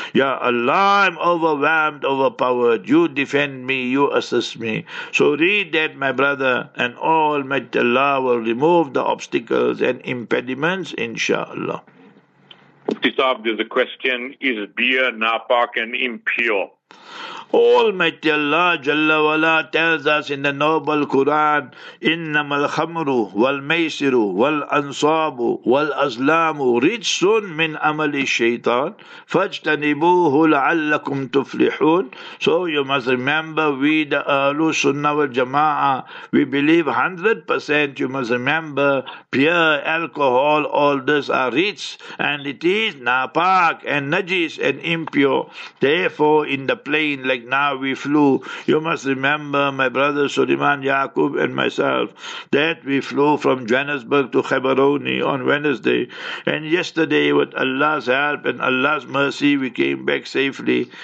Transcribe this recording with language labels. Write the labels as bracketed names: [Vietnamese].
[English] Ya Allah, I'm overwhelmed, overpowered. You defend me, you assist me. So read that, my brother, and Almighty Allah will remove the obstacles and impediments, inshallah. There's a question, is beer napak and impure? Almighty Allah Jalla Wala tells us in the Noble Quran, [Arabic] إِنَّمَا الْخَمْرُ وَالْمَيْسِرُ وَالْأَنْصَابُ وَالْأَزْلَامُ رِجْسٌ مِّنْ أَمَلِ الشَّيْطَانِ فَاجْتَنِبُوهُ لَعَلَّكُمْ تُفْلِحُونَ. [English] So you must remember, we the Ahlu Sunnah wal Jama'ah, we believe 100%, you must remember, beer, alcohol, all this are rich, and it is napak and najis and impure. Therefore, in the plain, like now we flew, you must remember, my brother Suleiman Yaqub and myself, that we flew from Johannesburg to Khabaroni on Wednesday, and yesterday with Allah's help and Allah's mercy we came back safely.